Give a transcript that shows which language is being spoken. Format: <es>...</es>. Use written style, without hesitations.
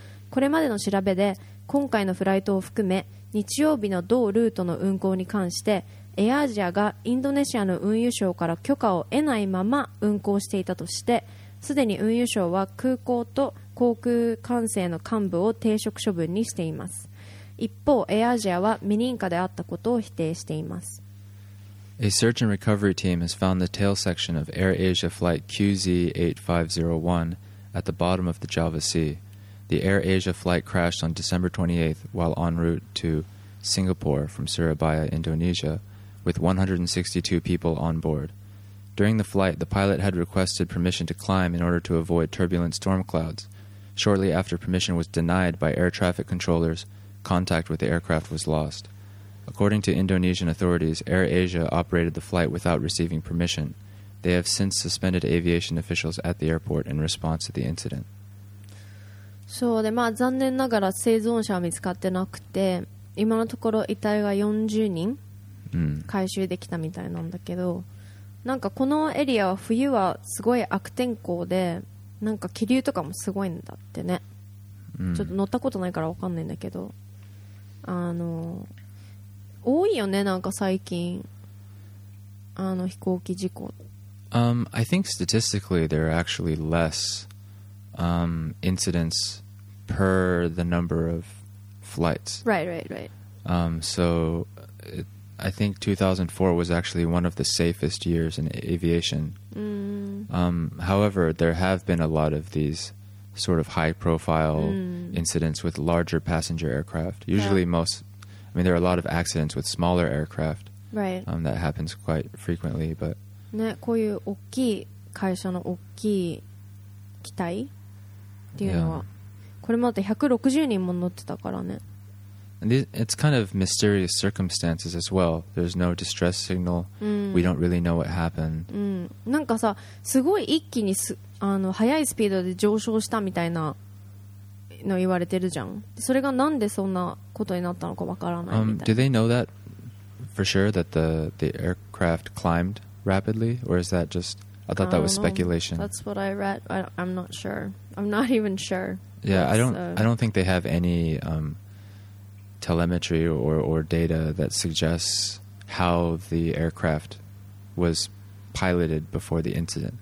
<ja>これまでの調べで今回のフライトを含め日曜日の同ルートの運航に関してエアアジアがインドネシアの運輸省から許可を得ないまま運航していたとして、すでに運輸省は空港と航空管制の幹部を停職処分にしています。一方、エアアジアは未認可であったことを否定しています。</ja> <en>A search and recovery team has found the tail section of Air Asia flight QZ8501 at the bottom of the Java Sea. The Air Asia flight crashed on December 28th while en route to Singapore from Surabaya, Indonesia, with 162 people on board. During the flight, the pilot had requested permission to climb in order to avoid turbulent storm clouds. Shortly after, permission was denied by air traffic controllers. Contact with the aircraft was lost. According to Indonesian authorities, Air Asia operated the flight without receiving permission. They have since suspended aviation officials at the airport in response to the incident.</en> <ja>そうで、まあ残念ながら生存者は見つかってなくて、今のところ遺体が40人回収できたみたいなんだけど、なんかこのエリアは冬はすごい悪天候で、なんか気流とかもすごいんだってね。ちょっと乗ったことないからわかんないんだけど。あの多いよね、なんか最近あの飛行機事故。</ja> <en>I think statistically there are actually less incidents per the number of flights. Right. So it, I think 2004 was actually one of the safest years in aviation. However, there have been a lot of these. Sort of high profile incidents with larger passenger aircraft. Usually, most, I mean, there are a lot of accidents with smaller aircraft. Right. That happens quite frequently, but.</en> <ja>ね、こういう大きい会社の大きい機体っていうのは、これもだって160人も乗ってたからね。</ja> <en>And these, it's kind of mysterious circumstances as well. There's no distress signal. We don't really know what happened.</en> <ja>なんかさ、すごい一気にす、あの、速いスピードで上昇したみたいなの言われてるじゃん。それがなんでそんなことになったのかわからないみたいな。</ja> <en>Do they know that for sure that the aircraft climbed rapidly? Or is that just... I thought that was speculation. That's what I read. I'm not sure. I'm not even sure. Yeah, I don't think they have any... telemetry or data that suggests how the aircraft was piloted before the incident.</en>